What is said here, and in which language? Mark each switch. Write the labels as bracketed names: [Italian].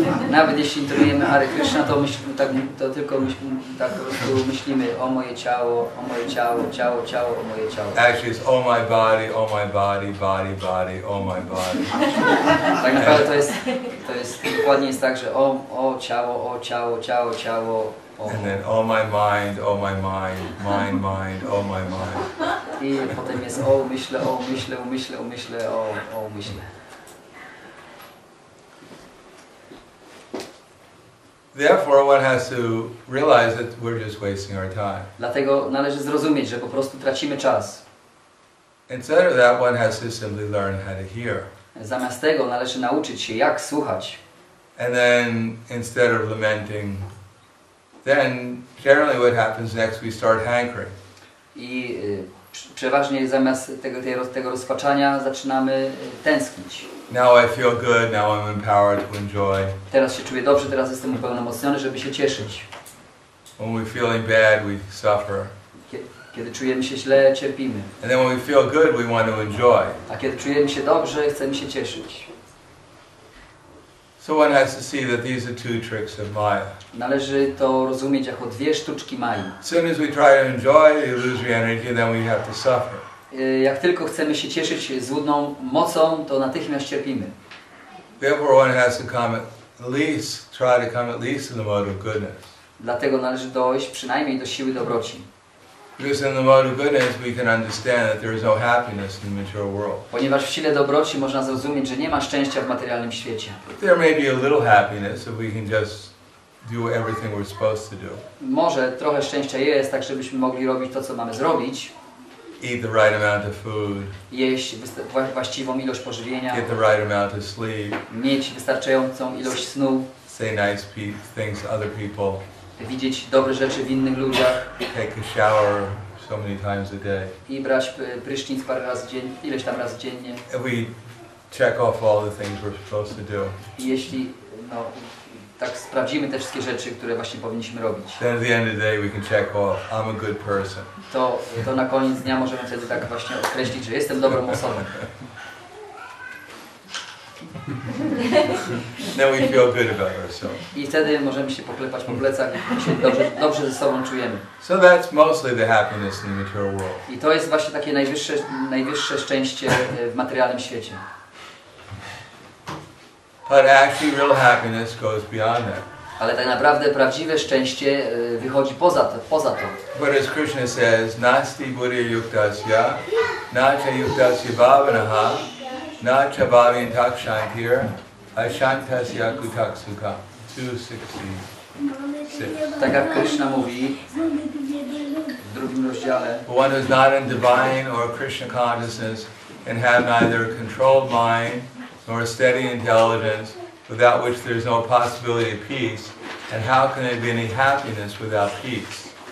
[Polish] Nawet jeśli intonujemy Hare Krishna, to myślimy tak, to tylko myślimy, tak myślimy o moje ciało, ciało, ciało, o moje ciało. [English] Actually, it's oh my body, body, body, oh my body. [Polish] Tak naprawdę to jest dokładnie jest tak, że o ciało, o ciało, ciało, ciało. [English] And then, oh my mind, oh my mind, mind, mind, oh my mind. [Polish] I potem jest, oh, myślę, oh, myślę, oh, myślę, oh, myślę, oh, oh, myślę. [English] Therefore, one has to realize that we're just wasting our time. [Polish] Dlatego należy zrozumieć, że po prostu tracimy czas. [English] Instead of that, one has to simply learn how to hear. [Polish] Zamiast tego należy nauczyć się, jak słuchać. [English] And then, instead of lamenting, then generally what happens next, we start hankering. [Polish] I przeważnie zamiast tego rozpaczania zaczynamy tęsknić. [English] Now I feel good, now I'm empowered to enjoy. [Polish] Teraz się czuję dobrze, teraz jestem upełnomocniony, żeby się cieszyć. [English] When we're feeling bad, we suffer. [Polish] Kiedy czujemy się źle, cierpimy. [English] And then when we feel good, we want to enjoy. [Polish] A kiedy czujemy się dobrze, chcemy się cieszyć. [English] So one has to see that these are two tricks of Maya. [Polish] Należy to rozumieć jako dwie sztuczki Maji. [English] As soon as we try to enjoy, we lose the energy, then we have to suffer. [Polish] Jak tylko chcemy się cieszyć złudną mocą, to natychmiast cierpimy. [English] Therefore, one has to come at least, try to come at least in the mode of goodness. [Polish] Dlatego należy dojść przynajmniej do siły dobroci. [English] Because in the mode of goodness, we can understand that there is no happiness in the material world. [Polish] Ponieważ w sile dobroci można zrozumieć, że nie ma szczęścia w materialnym świecie. [English] But there may be a little happiness if we can just do everything we're supposed to do. [Polish] Może trochę szczęścia jest, tak żebyśmy mogli robić to, co mamy zrobić. [English] Eat the right amount of food. [Polish] Jeść właściwą ilość pożywienia. [English] Get the right amount of sleep. [Polish] Mieć wystarczającą ilość snu. [English] Say nice things to other people. [Polish] Widzieć dobre rzeczy w innych ludziach. [English] Take a shower so many times a day. [Polish] I brać prysznic parę razy dziennie, ileś tam razy dziennie. [English] And we check off all the things we're supposed to do. [Polish] I jeśli, no, tak sprawdzimy te wszystkie rzeczy, które właśnie powinniśmy robić. [English] Then at the end of the day we can check off, I'm a good person. [Polish] To na koniec dnia możemy wtedy tak właśnie określić, że jestem dobrą osobą. [English] Then we feel good about ourselves. [Polish] I wtedy możemy się poklepać po plecach i się dobrze ze sobą czujemy. [English] So that's mostly the happiness in the material world. [Polish] I to jest właśnie takie najwyższe szczęście w materialnym świecie. [English] But actually, real happiness goes beyond that. [Polish] Ale tak naprawdę prawdziwe szczęście wychodzi poza to. [English] But as Krishna says, [Sanskrit] nasti buddhi yuktasya, nacha yuktasya bhavanaha, nacha bhavintakshantir, ashantasya kutaksuka. 266. [Polish] Tak jak Krishna mówi w drugim rozdziale. [English] One who is not in divine or Krishna consciousness and have neither controlled mind nor steady intelligence, without which there is no possibility of peace, and how can there be any happiness without peace?